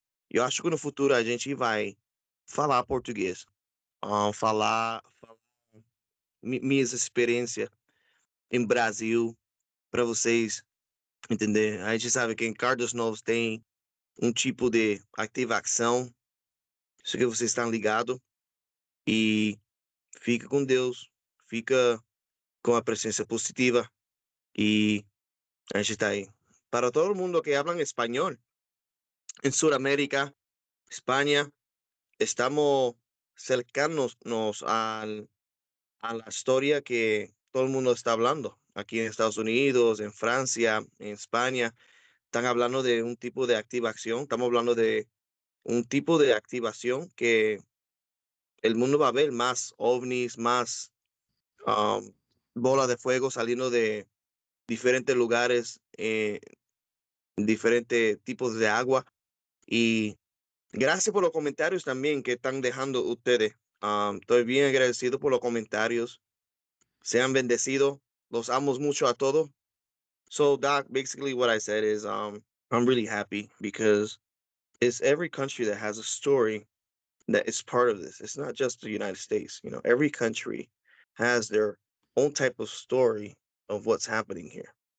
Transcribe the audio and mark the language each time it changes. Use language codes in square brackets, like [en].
[pt] Eu acho que no futuro a gente vai falar português, falar minhas experiências em Brasil para vocês entender. A gente sabe que em Cardos Novos tem um tipo de ativação, isso que vocês estão ligados. E fica com Deus, fica com a presença positiva e a gente está aí. [es] Para todo mundo que habla espanhol, en Sudamérica, España, estamos cercanos a la historia que todo el mundo está hablando. Aquí en Estados Unidos, en Francia, en España, Están hablando de un tipo de activación. Estamos hablando de un tipo de activación que el mundo va a ver más ovnis, más bolas de fuego saliendo de diferentes lugares, diferentes tipos de agua. Y gracias por los comentarios también que están dejando ustedes. Estoy bien agradecido por los comentarios. Sean bendecidos. Los amo mucho a todos. [en] So, Doc, basically what I said is I'm really happy because it's every country that has a story that is part of this. It's not just the United States. You know, every country has their own type of story of what's happening here.